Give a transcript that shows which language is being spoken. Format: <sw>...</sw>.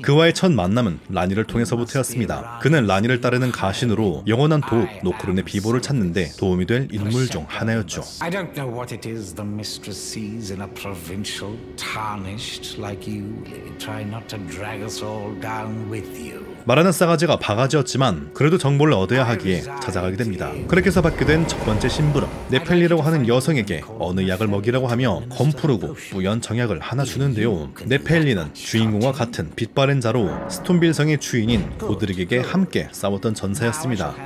<ko>그와의 첫 만남은 라니를 통해서부터였습니다. 그는 라니를 따르는 가신으로 영원한 도읍 노크론의 비보를 찾는데 도움이 될 인물 중 하나였죠.</ko> <en>I don't know what it is the mistress sees in a provincial tarnished like you. Try not to drag us all down with you.</en> <ko>말하는 싸가지가 바가지였지만 그래도 정보를 얻어야 하기에 찾아가게 됩니다. 그렇게 해서 받게 된 첫 번째 심부름. 네펠리라고 하는 여성에게 어느 약을 먹이라고 하며 검푸르고 뿌연 정약을 하나 주는데요. 네펠리는 주인공과 같은 빛바랜 자로 스톤빌성의 주인인 고드릭에게 함께 싸웠던 전사였습니다.</ko>